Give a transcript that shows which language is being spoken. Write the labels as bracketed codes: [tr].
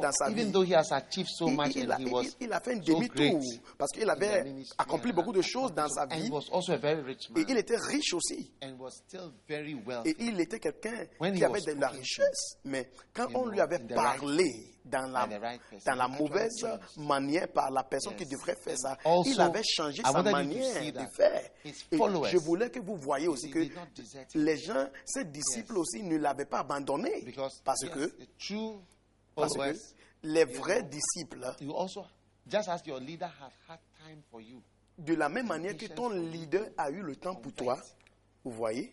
[en] even though he has achieved so much and he was [fr] il a fait un demi-tour parce qu'il avait accompli beaucoup de choses dans sa vie. [en] And he was also a very rich man. [fr] Et il était riche aussi. [en] And was still very wealthy. [fr] Et il était quelqu'un qui avait de la richesse. Mais quand on lui avait parlé dans la mauvaise manière par la personne qui devrait faire ça, il avait changé sa manière de faire. Et je voulais que vous voyez aussi que les gens, ses disciples aussi, ne l'avaient pas abandonné. Parce que parce que les vrais disciples, [en] you also, just as your leader has had time for you, [fr] de la même manière que ton leader a eu le temps pour toi, vous voyez,